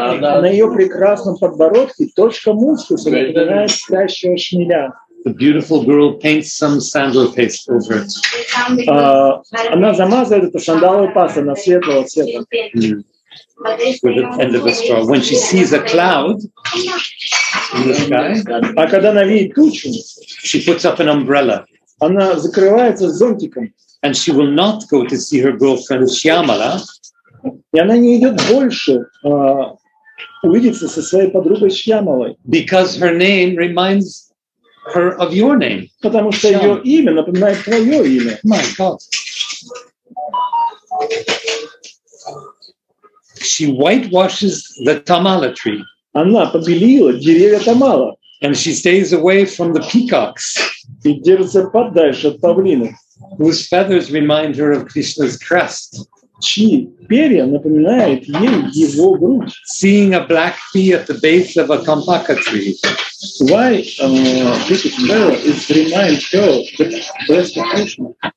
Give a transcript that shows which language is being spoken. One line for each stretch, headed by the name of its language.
Russian: На ее прекрасном подбородке точка мускуса напоминает спящего шмеля.
English: The beautiful girl paints some sandal paste over it.
Russian: Она замазывает это сандаловой пастой на светлого цвета.
English: With the end of a straw. When she sees a cloud in the sky,
Russian: а когда она видит тучу,
English: she puts up an umbrella.
Russian: Она закрывается зонтиком.
English: And she will not go to see her girlfriend Shyamala.
Russian: И она не идет больше увидеться со своей подругой Шьямалой.
English: Because her name reminds her of your name.
Russian: Потому что ее имя напоминает твое имя.
English: My God. She whitewashes the tamala tree.
Russian: Она побелила деревья тамала.
English: And she stays away from the peacocks.
Russian: И держится подальше от павлинов.
English: Whose feathers remind her of Krishna's crest.
Russian: Чьи перья напоминают ей его грудь.
English: Seeing a black bee at the base of a kampaka tree. Why this girl is remind her the breast of Krishna?